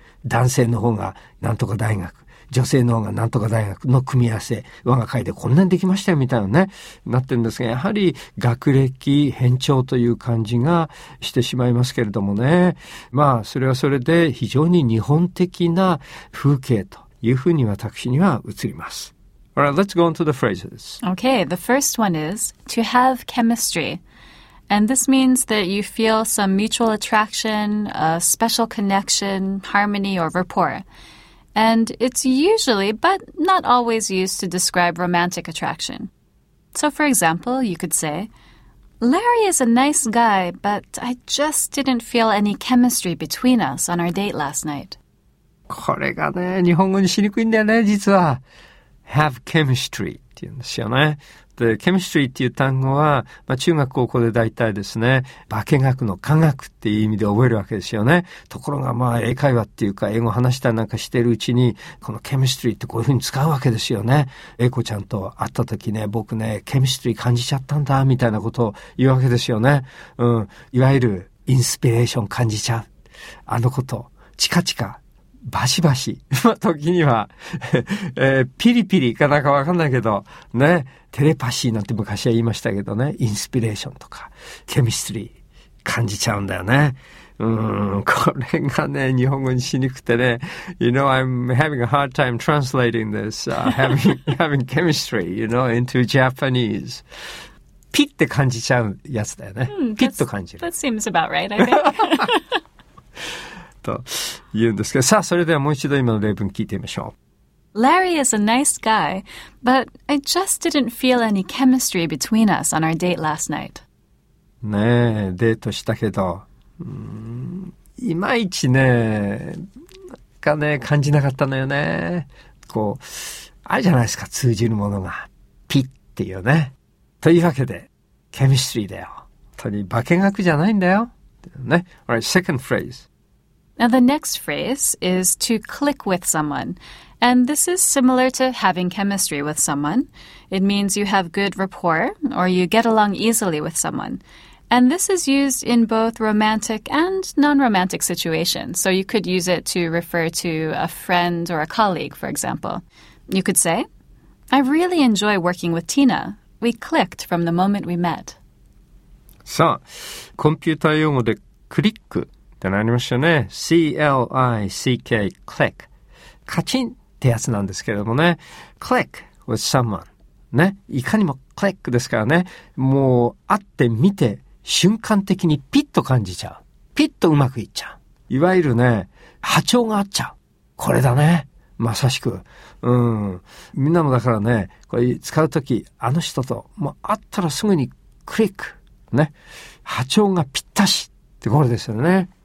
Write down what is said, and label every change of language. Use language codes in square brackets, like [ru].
[ja] 男性の方がなんとか大学、女性の方がなんとか大学の組み合わせ、我が会でこんなにできましたよみたいなね、なってるんですが、やはり学歴偏重という感じがしてしまいますけれどもね。まあ、それはそれで非常に日本的な風景というふうに私には映ります。 [en] All right, let's go on to the phrases. Okay, the first one is to have chemistry. And this means that you feel some mutual attraction, a special connection, harmony, or rapport. And it's usually, but not always, used to describe romantic attraction. So, for example, you could say, Larry is a nice guy, but I just didn't feel any chemistry between us on our date last night. [ja] これがね、日本語にしにくいんだよね、実は。 [en] have chemistry [ja] って言うんですよね。で、chemistry っていう単語は、まあ、中学高校で大体ですね、化学の科学っていう意味で覚えるわけですよね。ところが、まあ、英会話っていうか、英語話したりなんかしてるうちに、この chemistry ってこういうふうに使うわけですよね。英子ちゃんと会った時ね、僕ね、chemistry 感じちゃったんだ、みたいなことを言うわけですよね。いわゆる、インスピレーション感じちゃう。あのこと、チカチカ。バシバシ。ま、時には、ピリピリかなんかわかんないけど、ね。テレパシーなんて昔は言いましたけどね。インスピレーションとか、ケミストリー、感じちゃうんだよね。これがね、日本語にしにくくてね。 [en] You know, I'm having a hard time translating this. having chemistry, you know, into Japanese. [ja] ピッて感じちゃうやつだよね。ピッと感じる。 [en] That seems about right, I think. [ja] というんですけど、さあ、それではもう一度今の例文聞いてみましょう。 [en] Larry is a nice guy, but I just didn't feel any chemistry between us on our date last night. [ja] ねえ、デートしたけど、いまいちね、かね、感じなかったのよね。こう、あれじゃないですか、通じるものが。ピッっていうね。というわけで、chemistry だよ。本当に化け学じゃないんだよ。 [en] ね。Alright, second phrase. Now the next phrase is to click with someone. And this is similar to having chemistry with someone. It means you have good rapport or you get along easily with someone. And this is used in both romantic and non-romantic situations. So you could use it to refer to a friend or a colleague, for example. You could say, I really enjoy working with Tina. We clicked from the moment we met. [ja] さあ、コンピューター用語でクリック。ってなりましたね。 C-L-I-C-K click カチンってやつなんですけれどもね、 [en] click with someone [ja] ね、いかにもクリックですからね、もう会ってみて瞬間的にピッと感じちゃう、ピッとうまくいっちゃう、いわゆるね波長が合っちゃう、これだね、まさしく、うん、みんなもだからね、これ使うとき、あの人ともう会ったらすぐにクリックね、波長がぴったしってこれですよね。